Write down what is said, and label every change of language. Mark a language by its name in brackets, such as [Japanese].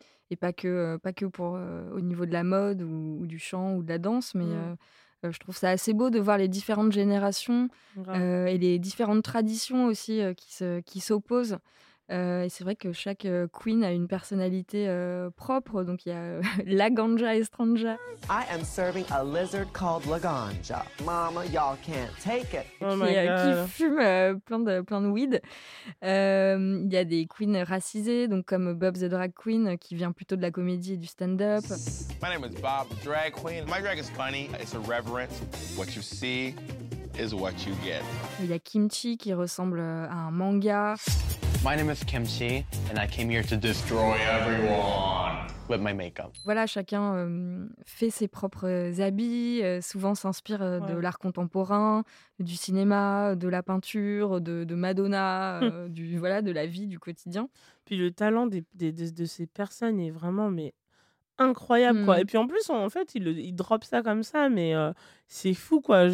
[French] Et pas que pour, au niveau de la mode ou du chant ou de la danse. Mais je trouve ça assez beau de voir les différentes générations et les différentes traditions aussi qui s'opposent. Et c'est vrai que chaque queen a une personnalité propre, donc il y a La Ganja Estranja. [English] I am serving a lizard called La Ganja. Mama, y'all can't take it. [French] Qui fume plein de weed. Il y a des queens racisées, donc comme Bob the Drag Queen, qui vient plutôt de la comédie et du stand-up. [English] My name is Bob the Drag Queen. My drag is funny, it's irreverent. What you see is what you get. [French] Il y a Kimchi qui ressemble à un manga. [English] My name is Kimchi and I came here to destroy everyone with my makeup. [French] Voilà, chacun fait ses propres habits, souvent s'inspire de l'art contemporain, du cinéma, de la peinture, de Madonna, de la vie du quotidien. Puis le talent de ces personnes est vraiment mais incroyable, quoi. Et puis en plus, il drop ça comme ça, mais c'est fou, quoi.